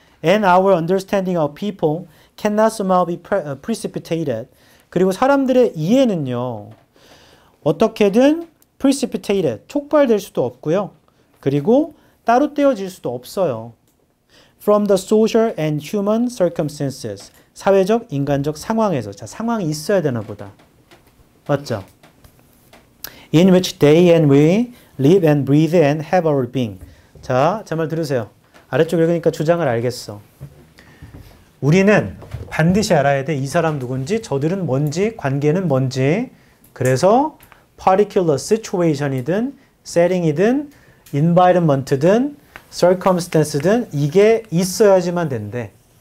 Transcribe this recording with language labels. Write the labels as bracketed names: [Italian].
[English] And our understanding of people cannot somehow be precipitated. [Korean] 그리고 사람들의 이해는요. 어떻게든 precipitated, 촉발될 수도 없고요. 그리고 따로 떼어질 수도 없어요. [English] From the social and human circumstances, [Korean] 사회적, 인간적 상황에서. 자, 상황이 있어야 되나 보다. 맞죠? [English] In which they and we live and breathe and have our being. [Korean] 자, 제 말 들으세요. 아래쪽 읽으니까 주장을 알겠어. 우리는 반드시 알아야 돼. 이 사람 누군지, 저들은 뭔지, 관계는 뭔지. 그래서 particular situation이든, setting이든, environment든, circumstance든 이게 있어야지만 된대.